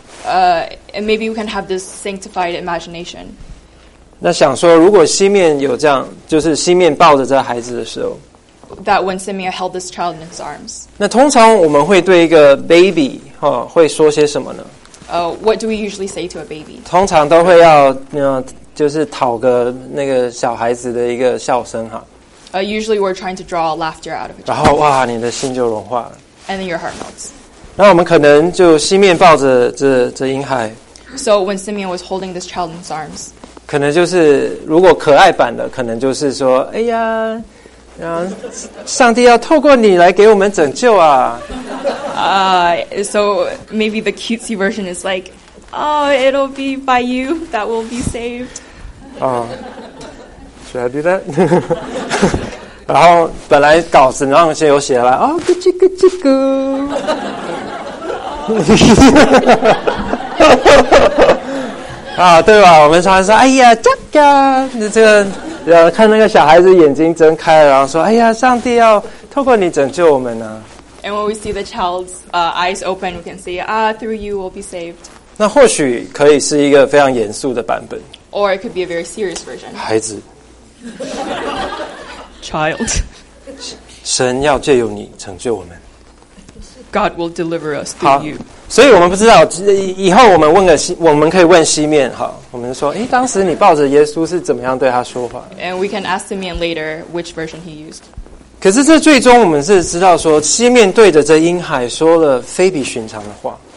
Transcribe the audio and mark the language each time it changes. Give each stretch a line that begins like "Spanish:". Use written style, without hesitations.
English: And maybe we can have this sanctified imagination.
Chinese: 那想说，如果西面有这样，就是西面抱着这孩子的时候。
English: That when Simeon held this child in his arms.
Chinese: 那通常我们会对一个 baby 哈会说些什么呢？
English: What do we usually say to a baby?
Chinese: 通常都会要就是讨个那个小孩子的一个笑声哈。
English: Usually we're trying to draw laughter out of it.
Chinese: 然后哇，你的心就融化了。
English: And then your heart melts.
Chinese: 那我们可能就西面抱着这婴孩。
English: So when Simeon was holding this child in his arms.
Chinese: 可能就是如果可爱版的，可能就是说，哎呀。上帝要透过你来给我们拯救啊。
English: So maybe the cutesy version is like, oh, it'll be by you that we'll be saved. Should I do that?
Chinese: 然后本来稿子上先有写了，哦，咕叽咕叽咕。啊，对吧？我们常常说，哎呀，这个，看那个小孩子眼睛睁开了，然后说：“哎呀，上帝要透过你拯救我们呢。”
English: And when we see the child's eyes open, we can see, ah, through you we'll be saved.
Chinese: 那或许可以是一个非常严肃的版本。
English: Or it could be a very serious version.
Chinese: 孩子
English: ，child，
Chinese: 神要借由你拯救我们。
English: God will deliver us through you.
Chinese: 所以我们不知道，以后我们问个西，我们可以问西面哈。我们说，哎，当时你抱着耶稣是怎么样对他说话
English: ？And we can ask Simeon later which version he used.
Chinese: 可是这最终我们是知道说，西面对着这婴孩说了非比寻常的话。